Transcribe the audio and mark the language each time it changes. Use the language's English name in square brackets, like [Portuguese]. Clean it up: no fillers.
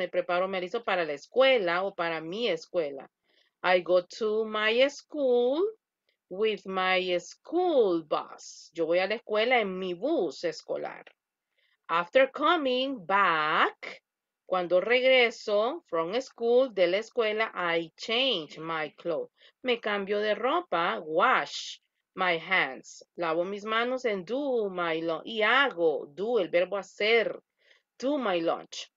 [Spanish] Me preparo, me alisto para la escuela o para mi escuela. [English] I go to my school with my school bus. [Spanish] Yo voy a la escuela en mi bus escolar. [English] After coming back, [Spanish] cuando regreso [English] from school, [Spanish] de la escuela, [English] I change my clothes. [Spanish] Me cambio de ropa, [English] wash my hands. [Spanish] Lavo mis manos [English] and do my lunch. [Spanish] Y hago, do, el verbo hacer, [English] do my lunch.